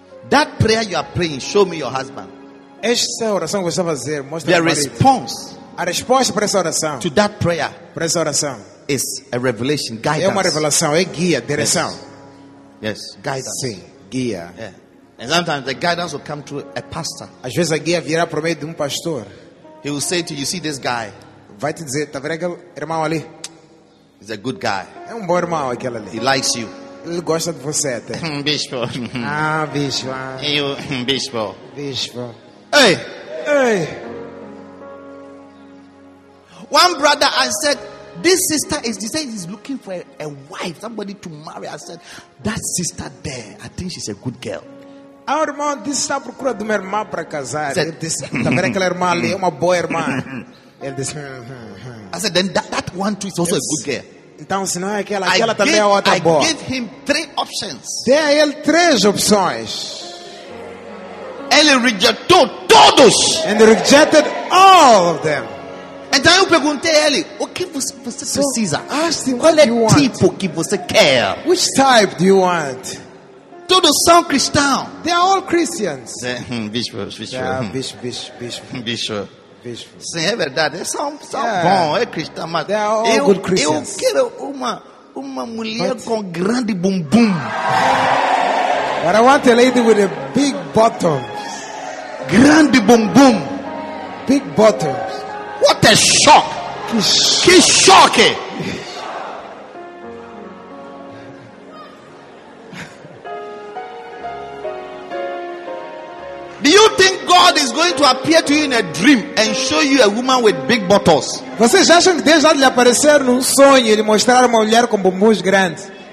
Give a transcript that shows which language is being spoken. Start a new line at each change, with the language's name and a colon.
English: That prayer you are praying, show me your husband.
Portuguese: Essa oração que você vai fazer, mostra
English: the response.
Portuguese: A resposta para essa oração.
English: To that prayer.
Portuguese: Para essa oração.
English: Is a revelation, guidance.
Portuguese: É uma revelação, é guia, direção.
English: Yes. Guidance.
Portuguese: Sim, guia.
English: Yeah. And sometimes the guidance will come to a pastor.
Portuguese: Às vezes a guia virá por meio de pastor.
English: He will say to you, see this guy.
Portuguese: Vai te dizer, tá vendo aquele irmão ali?
English: He's a good guy.
Portuguese: É bom irmão aquele ali.
English: He likes you.
Portuguese: Ele gosta de você até. Bispo. Ah, bispo. Eu, bispo. Bispo.
English: Hey. Hey. One brother, I said, this sister is, he said he's looking for a wife, somebody to marry. I said, that sister there, I think she's a good girl.
Portuguese: Ah, irmão, disse, está à procura de uma irmã para casar. Said, ele disse, está vendo aquela irmã ali, é uma boa irmã. Ele disse,
English: I said, then that one too is also a good girl.
Portuguese: Então, se não é aquela, aquela também é outra boa.
English: I gave him 3 options.
Portuguese: Dei a ele 3 opções. Ele rejeitou todos.
English: And rejected all of them.
Portuguese: Então eu perguntei a ele, o que você precisa?
English: Ask him,
Portuguese: qual
English: what
Portuguese: é o tipo que você quer?
English: Which type do you want?
Portuguese: Todos são cristãos.
English: They are all Christians.
Portuguese: Bispo, bispo. Bispo. Sim, é verdade. São bons, é cristão, mas
English: they are all good Christians.
Portuguese: Eu quero uma mulher com grande bumbum.
English: But I want a lady with a big bottom.
Portuguese: Grande bumbum.
English: Big bottom. What a shock.
Portuguese: Que
English: shock. Do you think God is going to appear to you in a dream and show you a woman with big bottles?
Portuguese: Vocês acham que Deus vai lhe aparecer num sonho e lhe mostrar uma mulher com bumbuns grandes?